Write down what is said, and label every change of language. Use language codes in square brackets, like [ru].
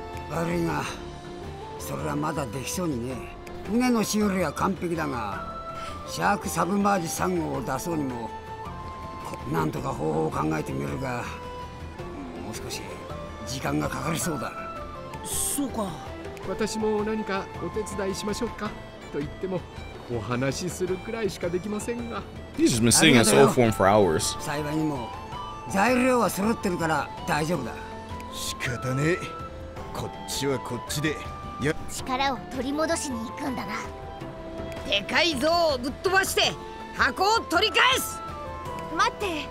[ja] 悪いが、それはまだできそうにね。船の修理は完璧だが、シャークサブマージ3号を出そうにも、なんとか方法を考えてみるが、もう少し時間がかかりそうだ。そうか。私も何かお手伝いしましょうか。と言ってもお話しするくらいしかできませんが。 [en] He's just been sitting in this old form for hours. [ja] 幸いにも材料は揃ってるから大丈夫だ。仕方ねえ。こっちはこっちで。力を取り戻しに行くんだな。でかい像をぶっ飛ばして箱を取り返す。待って。